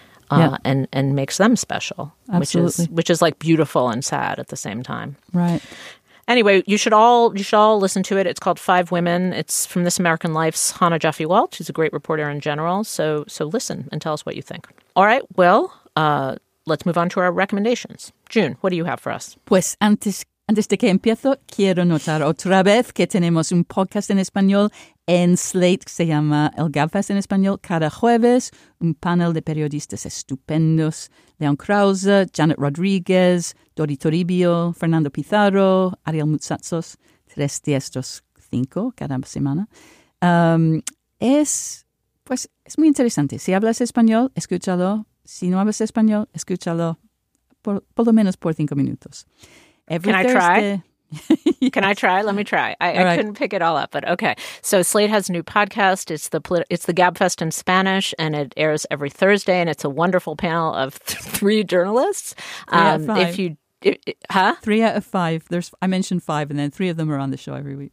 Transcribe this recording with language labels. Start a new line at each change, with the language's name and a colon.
English: Yeah. And makes them special. Absolutely. which is like beautiful and sad at the same time. Right. Anyway, you should all listen to it. It's called Five Women. It's from This American Life's Hannah Jaffe Walt. She's a great reporter in general. So listen and tell us what you think. All right. Well, let's move on to our recommendations. June, what do you have for us?
Spanish: Pues antes de que empiezo, quiero notar otra vez que tenemos un podcast en español en Slate que se llama El Gabfest en Español. Cada jueves, un panel de periodistas estupendos. Leon Krause, Janet Rodriguez, Dori Toribio, Fernando Pizarro, Ariel Mutsatsos, tres de estos cinco cada semana. Es muy interesante. Si hablas español, escúchalo. Si no hablas español, escúchalo por lo menos por 5 minutos.
English: Can I try? Let me try. I couldn't pick it all up, but okay. So Slate has a new podcast. It's the Gabfest in Spanish, and it airs every Thursday, and it's a wonderful panel of three journalists. Three out of five. I mentioned five, and then three of them are on the show every week.